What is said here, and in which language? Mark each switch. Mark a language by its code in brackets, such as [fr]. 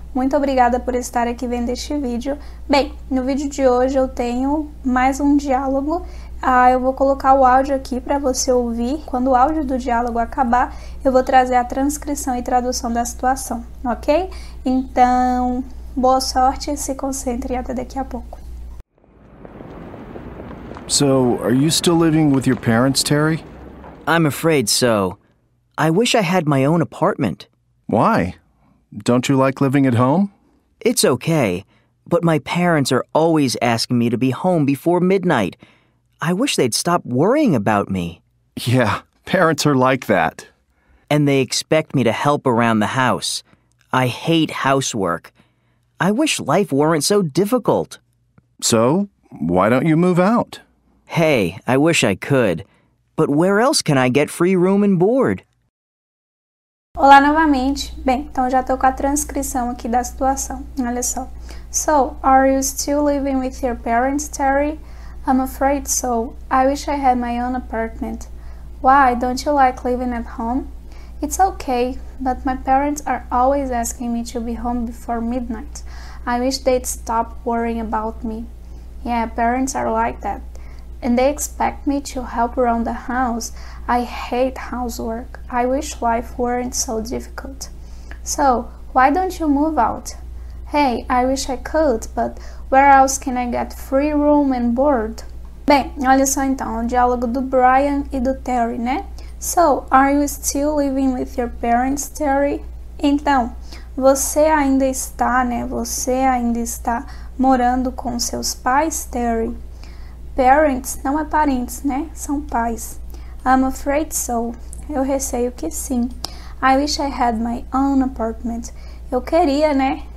[pt] Muito obrigada por estar aqui vendo este vídeo. Bem, no vídeo de hoje eu tenho mais um diálogo. Eu vou colocar o áudio aqui para você ouvir. Quando o áudio do diálogo acabar, eu vou trazer a transcrição e tradução da situação, ok? Então, boa sorte, se concentre e até daqui a pouco. [en] So, are you still living with your parents, Terry? I'm afraid so. I wish I had my own apartment. Why? Don't you like living at home? It's okay, but my parents are always asking me to be home before midnight. I wish they'd stop worrying about me. Yeah, parents are like that. And they expect me to help around the house. I hate housework. I wish life weren't so difficult. So, why don't you move out? Hey, I wish I could, but where else can I get free room and board? [pt] Olá novamente. Bem, então já estou com a transcrição aqui da situação. Olha só. [en] So, are you still living with your parents, Terry? I'm afraid so. I wish I had my own apartment. Why, don't you like living at home? It's okay, but my parents are always asking me to be home before midnight. I wish they'd stop worrying about me. Yeah, parents are like that. And they expect me to help around the house. I hate housework. I wish life weren't so difficult. So, why don't you move out? Hey, I wish I could, but where else can I get free room and board? [pt] Bem, olha só então, o diálogo do Brian e do Terry, né? [en] So, are you still living with your parents, Terry? [pt] Então, você ainda está, né? Você ainda está morando com seus pais, Terry? Parents não é parentes, né? São pais. [en] I'm afraid so. [pt] Eu receio que sim. [en] I wish I had my own apartment. [pt] Eu queria, né?